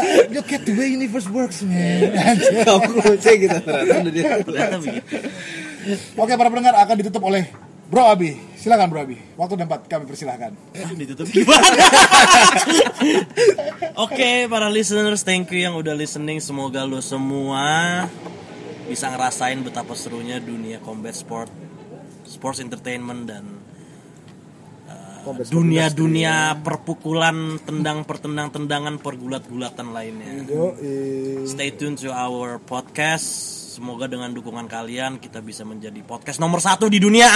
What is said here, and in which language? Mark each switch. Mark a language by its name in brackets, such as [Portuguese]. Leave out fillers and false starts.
[English] Look at the way universe works, man. [Indonesian] Aku sih gitu ternyata begitu. Oke, para pendengar akan ditutup oleh Bro Abi. Silakan Bro Abi. Waktu tempat kami persilahkan. Ditutup gimana? Oke, para listeners, thank you yang udah listening. Semoga lo semua bisa ngerasain betapa serunya dunia combat sport, sports entertainment dan dunia-dunia perpukulan, tendang pertendang, tendangan pergulat-gulatan lainnya. [English] Stay tuned to our podcast. [Indonesian] Semoga dengan dukungan kalian kita bisa menjadi podcast nomor 1 di dunia.